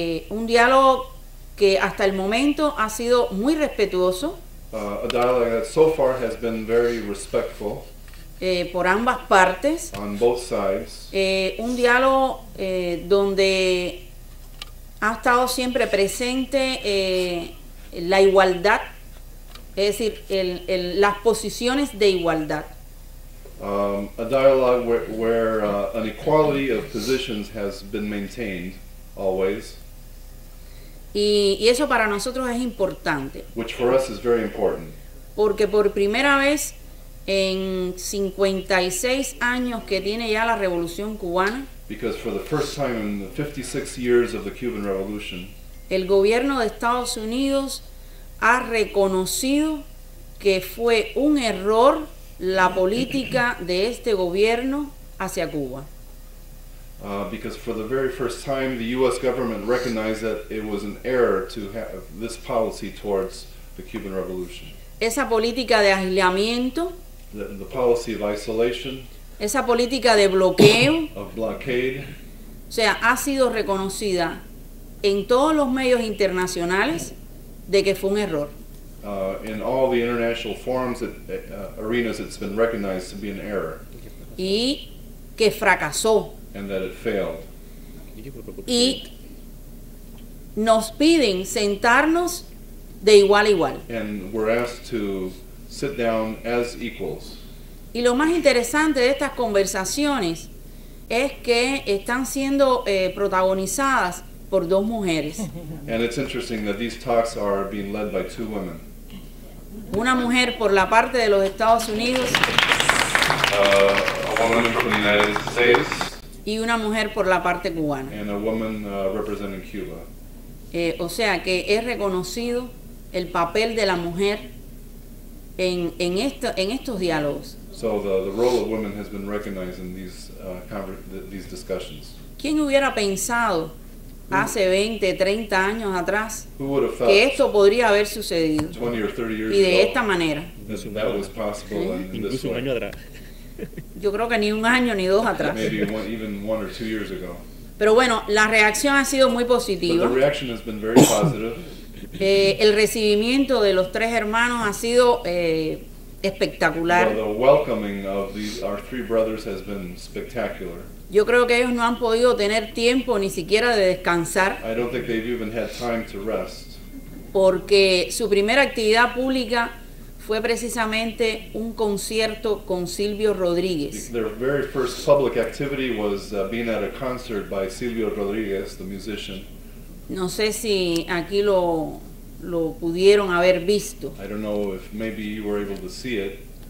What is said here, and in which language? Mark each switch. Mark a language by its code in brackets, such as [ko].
[es] Un diálogo que hasta el momento ha sido muy respetuoso. [en] A dialogue that so far has been very respectful. [es] Por ambas partes. [en] On both sides. [es] Un diálogo donde ha estado siempre presente la igualdad, es decir, las posiciones de igualdad. [en] A dialogue where an equality of positions has been maintained always. [es] Y eso para nosotros es importante. [en] Which for us is very important. [es] Porque por primera vez en 56 años que tiene ya la Revolución Cubana, [en] because for the first time in the 56 years of the Cuban Revolution, [es] el gobierno de Estados Unidos ha reconocido que fue un error la política de este gobierno hacia Cuba. [en] Because for the very first time, the U.S. government recognized that it was an error to have this policy towards the Cuban Revolution. [es] Esa política de aislamiento, [en] the policy of isolation, [es] esa política de bloqueo, [en] of blockade, [es] o sea, ha sido reconocida en todos los medios internacionales de que fue un error. [en] In all the international forums, arenas, it's been recognized to be an error. [es] Y que fracasó. [en] And that it failed. [es] Y nos piden sentarnos de igual a igual. [en] And we're asked to sit down as equals. [es] Y lo más interesante de estas conversaciones es que están siendo protagonizadas por dos mujeres. [en] And it's interesting that these talks are being led by two women. [es] Una mujer por la parte de los Estados Unidos. [en] A woman from the United States. [es] Y una mujer por la parte cubana. [en] And a woman representing Cuba. [es] O sea que es reconocido el papel de la mujer en estos diálogos. [en] So the role of women has been recognized in these discussions. [es] ¿Quién hubiera pensado hace 20, 30 años atrás que esto podría haber sucedido? [en] 20 or 30 years [es] y de esta manera. [en] That was possible in this [es] un año atrás. Yo creo que ni un año ni dos atrás. [en] Maybe even one or two years ago. [es] Pero bueno, la reacción ha sido muy positiva. [en] But the reaction has been very positive. [es] El recibimiento de los tres hermanos ha sido espectacular. [en] The welcoming of our three brothers has been spectacular. [es] Yo creo que ellos no han podido tener tiempo ni siquiera de descansar. [en] I don't think they've even had time to rest. [es] Porque su primera actividad pública fue precisamente un concierto con Silvio Rodríguez. [en] Their very first public activity was being at a concert by Silvio Rodríguez, the musician. [es] No sé si aquí lo pudieron haber visto. [en] I don't know if maybe you were able to see it.